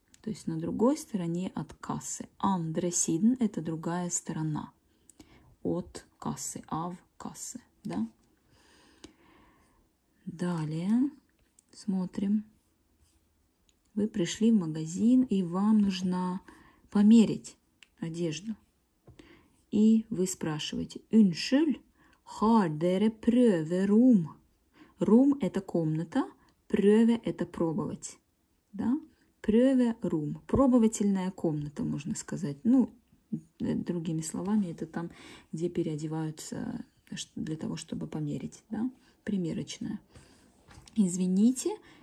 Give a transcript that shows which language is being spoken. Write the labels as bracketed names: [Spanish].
[Russian] То есть на другой стороне от кассы. [Norwegian] Andre siden [Russian] – это другая сторона от кассы, av кассы. Да? Далее смотрим. Вы пришли в магазин, и вам нужно померить одежду. И вы спрашиваете: [Norwegian] «Unnskyld, har dere prøverom?» [Russian] Room – это комната, пröве – это пробовать, да? Пröве – room – пробовательная комната, можно сказать. Ну, другими словами, это там, где переодеваются для того, чтобы померить, да? Примерочная. Извините,